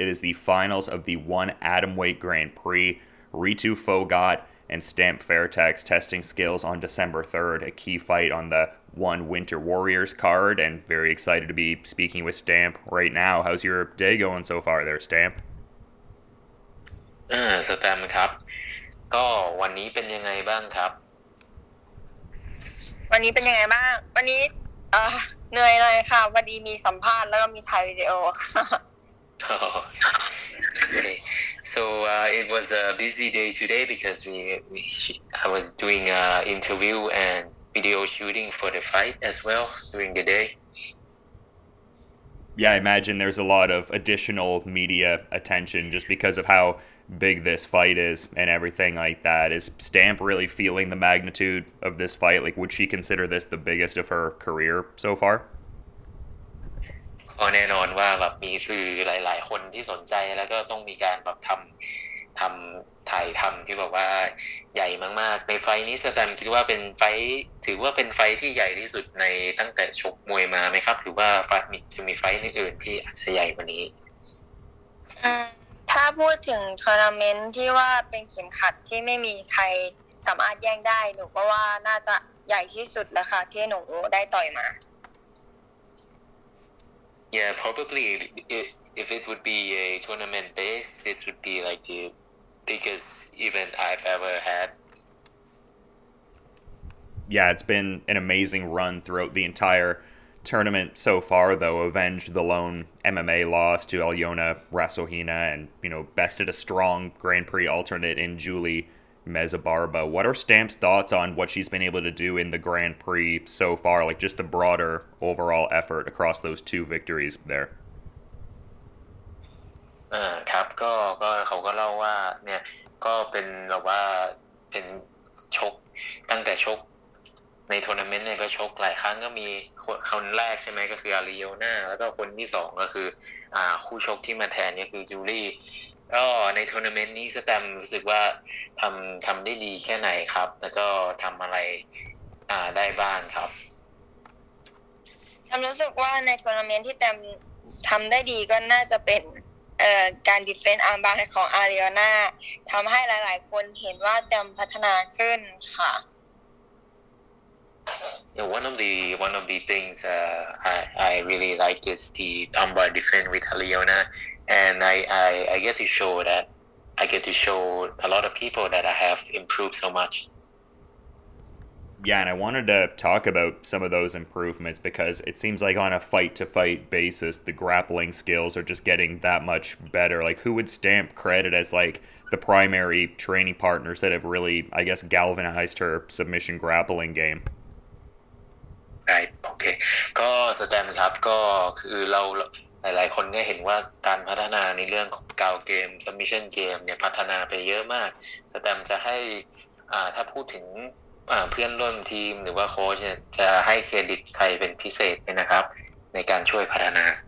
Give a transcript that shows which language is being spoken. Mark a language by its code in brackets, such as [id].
[en] It is the finals of the One Atomweight Grand Prix. Ritu Fogat and Stamp Fairtex testing skills on December 3rd, a key fight on the One Winter Warriors card, and very excited to be speaking with Stamp right now. How's your day going so far there, Stamp? [th] สแตมป์ครับก็วันนี้เป็นยังไงบ้างครับ วันนี้เป็นยังไงบ้างวันนี้เหนื่อยเลยค่ะพอดีมีสัมภาษณ์แล้วก็มีถ่ายวิดีโอค่ะ [en] So it was a busy day today because I was doing an interview and video shooting for the fight as well during the day. Yeah, I imagine there's a lot of additional media attention just because of how big this fight is and everything like that. Is Stamp really feeling the magnitude of this fight? Like, would she consider this the biggest of her career so far? [th] ก็แน่นอนว่าแบบมีสื่อหลายๆคนที่สนใจแล้วก็ต้องมีการแบบทำถ่ายทำที่บอกว่าใหญ่มากๆในไฟนี้สแตมคิดว่าเป็นไฟถือว่าเป็นไฟที่ใหญ่ที่สุดในตั้งแต่ชกมวยมาไหมครับหรือว่าจะมีไฟอื่นที่อาจจะใหญ่กว่านี้ถ้าพูดถึงทัวร์นาเมนต์ที่ว่าเป็นเข็มขัดที่ไม่มีใครสามารถแย่งได้หนูก็ว่าน่าจะใหญ่ที่สุดแล้วค่ะที่หนูได้ต่อยมา [en] Yeah, probably if it would be a tournament base, this would be like the biggest event I've ever had. Yeah, it's been an amazing run throughout the entire tournament so far, though. Avenged the lone MMA loss to Aljona Rasohina and, you know, bested a strong Grand Prix alternate in Julie Mezabarba. What are Stamp's thoughts on what she's been able to do in the Grand Prix so far, like just the broader overall effort across those two victories there? [th] ครับก็เขาก็เล่าว่าเนี่ยก็เป็นแบบว่าเป็นชกตั้งแต่ชกในทัวร์นาเมนต์เนี่ยก็ชกหลายครั้งก็มีคนแรกใช่ไหมก็คืออาริโอน่าแล้วก็คนที่สองก็คือคู่ชกที่มาแทนก็คือจูลี่ก็ในทัวร์นาเมนต์นี้สแตมรู้สึกว่าทำได้ดีแค่ไหนครับแล้วก็ทำอะไรได้บ้างครับ สแตมรู้สึกว่าในทัวร์นาเมนต์ที่แตมทำได้ดีก็น่าจะเป็นการดิฟเฟนต์อาร์มบาร์ของอาริโอน่าทำให้หลายๆคนเห็นว่าแตมพัฒนาขึ้นค่ะ [en] One of the things I really like is the armbar defense with Aljona, and I get to show that I get to show a lot of people that I have improved so much. Yeah, and I wanted to talk about some of those improvements because it seems like on a fight-to-fight basis, the grappling skills are just getting that much better. Like, who would Stamp credit as like the primary training partners that have really, I guess, galvanized her submission grappling game? [th] โอเคก็สแตมครับก็คือเราหลายๆคนก็เห็นว่าการพัฒนาในเรื่องของกาวเกมสมิชชั่นเกมเนี่ยพัฒนาไปเยอะมากสแตมจะให้ถ้าพูดถึงเพื่อนร่วมทีมหรือว่าโค้ชจะให้เครดิตใครเป็นพิเศษไหมนะครับในการช่วยพัฒนา